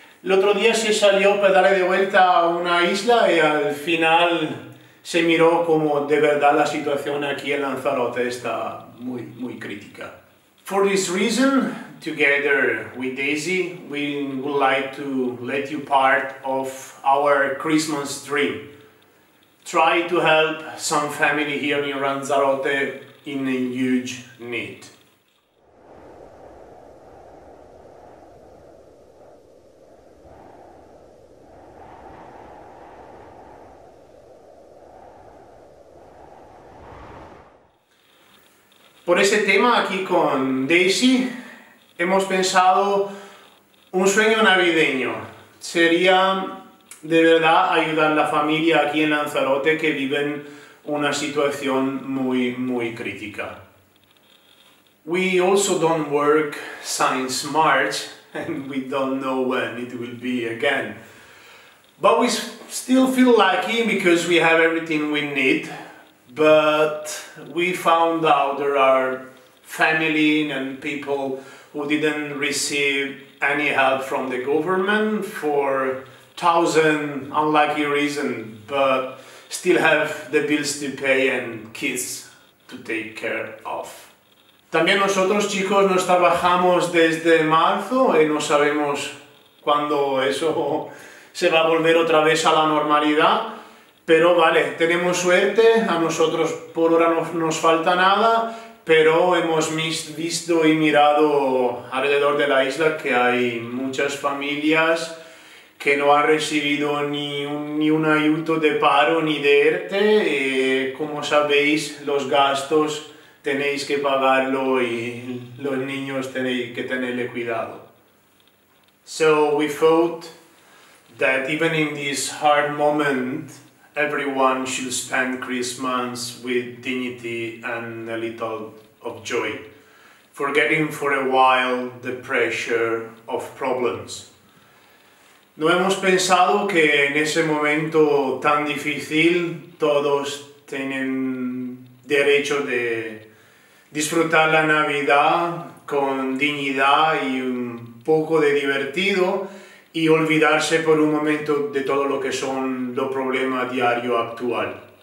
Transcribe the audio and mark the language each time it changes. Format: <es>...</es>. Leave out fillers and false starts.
<es>El otro día se salió para darle de vuelta a una isla y al final se miró como de verdad la situación aquí en Lanzarote está muy, muy crítica.</es> <en>For this reason, together with Daisy, we would like to let you part of our Christmas dream. Try to help some family here in Lanzarote in a huge need.</en> <es>Por ese tema aquí con Daisy hemos pensado un sueño navideño. Sería de verdad ayudar a la familia aquí en Lanzarote que viven una situación muy muy crítica.</es> <en>We also don't work since March and we don't know when it will be again. But we still feel lucky because we have everything we need. But we found out there are family and people who didn't receive any help from the government for thousand unlucky reasons, but still have the bills to pay and kids to take care of.</en> <es>También nosotros, chicos, nos trabajamos desde marzo y no sabemos cuándo eso se va a volver otra vez a la normalidad. Pero vale, tenemos suerte, a nosotros por ahora no nos falta nada, pero hemos visto y mirado alrededor de la isla que hay muchas familias que no han recibido ni un ayuto de paro ni de ERTE. Como sabéis, los gastos tenéis que pagarlo y los niños tenéis que tenerle cuidado.</es> <en>So we thought that even in this hard moment, everyone should spend Christmas with dignity and a little of joy, forgetting for a while the pressure of problems.</en> <es>No hemos pensado que en ese momento tan difícil todos tienen derecho de disfrutar la Navidad con dignidad y un poco de divertido y olvidarse por un momento de todo lo que son los problemas diarios actual.</es>